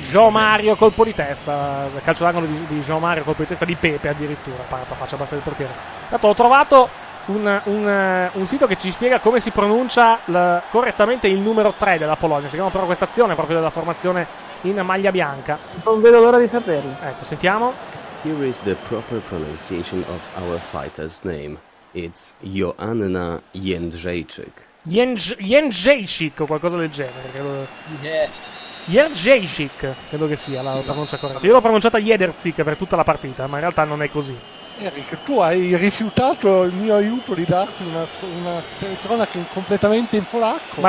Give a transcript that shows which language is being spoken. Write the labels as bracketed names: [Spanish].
[Italian] Gio Mario colpo di testa, calcio d'angolo di Gio Mario, colpo di testa di Pepe addirittura, parata faccia a parte del portiere. Intanto ho trovato un sito che ci spiega come si pronuncia correttamente il numero 3 della Polonia, si chiama però questa azione proprio della formazione in maglia bianca. Non vedo l'ora di saperlo. Ecco, sentiamo. [English] Here is the proper pronunciation of our fighter's name. It's Joanna Jędrzejczyk. [Italian] Jędrzejczyk o qualcosa del genere, credo. Jędrzejczyk, credo che sia la pronuncia corretta. Io l'ho pronunciata Jędrzejczyk per tutta la partita, ma in realtà non è così. Eric, tu hai rifiutato il mio aiuto di darti una telecronaca completamente in polacco.